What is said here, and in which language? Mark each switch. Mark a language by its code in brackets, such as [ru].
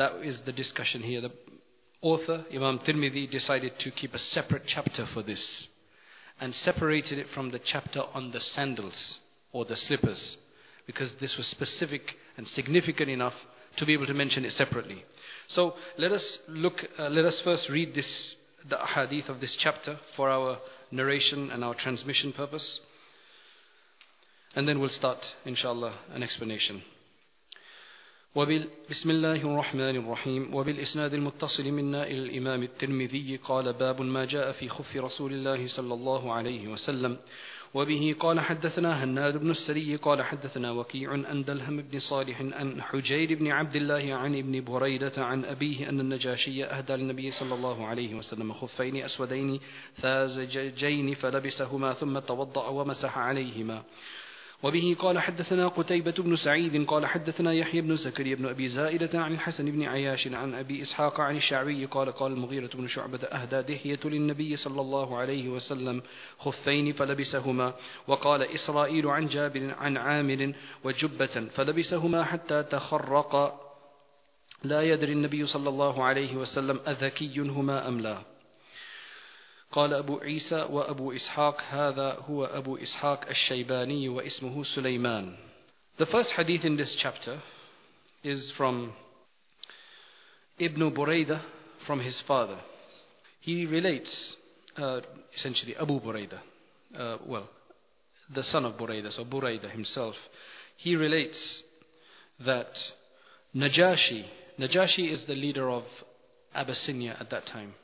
[en] That is the discussion here. The author, Imam Tirmidhi, decided to keep a separate chapter for this, and separated it from the chapter on the sandals or the slippers, because this was specific and significant enough to be able to mention it separately. So let us first read this, the hadith of this chapter, for our narration and our transmission purpose, and then we'll start inshallah an explanation. [ar] بسم الله الرحمن الرحيم وبالإسناد المتصل منا إلى الإمام الترمذي قال باب ما جاء في خف رسول الله صلى الله عليه وسلم وبه قال حدثنا هناد بن السري قال حدثنا وكيع أن دلهم بن صالح أن حجير بن عبد الله عن ابن بريدة عن أبيه أن النجاشي أهدى للنبي صلى الله عليه وسلم خفين أسودين ثازجين فلبسهما ثم توضأ ومسح عليهما وبه قال حدثنا قتيبة بن سعيد قال حدثنا يحيى بن زكريا بن أبي زائدة عن الحسن بن عياش عن أبي إسحاق عن الشعبي قال المغيرة بن شعبة أهدى دهية للنبي صلى الله عليه وسلم خفين فلبسهما وقال إسرائيل عن جابر عن عامر وجبة فلبسهما حتى تخرق لا يدري النبي صلى الله عليه وسلم أذكي هما أم لا. قال أبو عيسى وأبو إسحاق هذا هو أبو إسحاق الشيباني واسمه سليمان. [en] The first hadith in this chapter is from Ibn Buraydah from his father. He relates, essentially Abu Buraydah, the son of Buraydah, so Buraydah himself. He relates that Najashi is the leader of Abyssinia at that time.